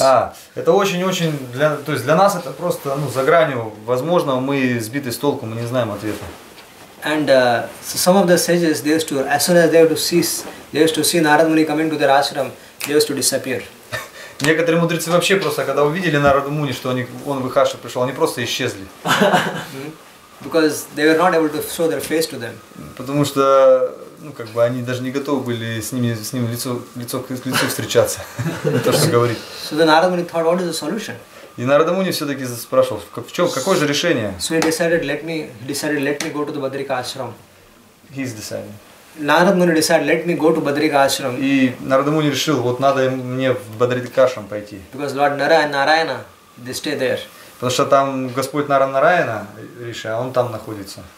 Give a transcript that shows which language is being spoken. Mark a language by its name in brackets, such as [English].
[Russian] А, это очень-очень, то есть для нас это просто, ну, за гранью. Возможно, мы сбиты с толку, мы не знаем ответа. [English] And so some of the sages, they used to, as soon as they used to see Narad Muni coming to their ashram, they used to disappear. [Russian] Некоторые мудрецы вообще просто, когда увидели Narada Muni, что он в их ашрам пришел, они просто исчезли. [English] Because they were not able to show their face to them. [Russian] Потому что, ну, как бы они даже не готовы были с ним лицо к лицу встречаться, то, что говорит. [English] So then Narad Muni thought, what is the solution? [Russian] И Narad Muni все-таки спрашивал, какое же решение? [English] So he decided, let me go to the Badrika Ashram. He's deciding. Narad Muni decided, let me go to Badrika Ashram. [Russian] И Narad Muni решил, вот надо мне в Badrika Ashram пойти. [English] Because Lord Narayana, they stay there. [Russian] Потому что там Господь Наранараяна, Риша, он там находится.